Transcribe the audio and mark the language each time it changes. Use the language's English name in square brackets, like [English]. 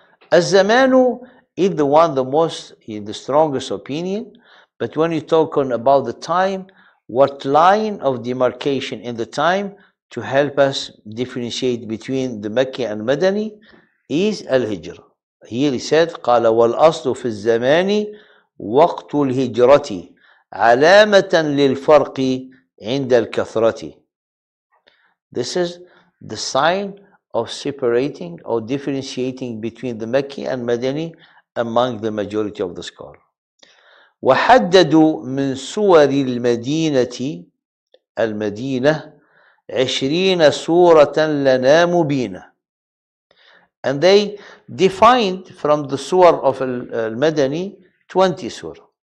[English] Az-zamanu is the one the most, the strongest opinion, but when you're talking about the time, what line of demarcation in the time to help us differentiate between the Mecca and Madani is Al-Hijra. Here he said, [Arabic] قَالَ وَالْأَصْلُ فِي الزَّمَانِ وَقْتُ الْهِجْرَةِ عَلَامَةً لِلْفَرْقِ عِنْدَ الْكَثْرَةِ. [English] This is the sign of separating or differentiating between the Mecca and Madani among the majority of the scholar. [Arabic] وَحَدَّدُوا مِنْ سُوَرِ الْمَدِينَةِ الْمَدِينَةِ 20 suratan lana mubina. [English] And they defined from the surah of Al-Madani 20 surah.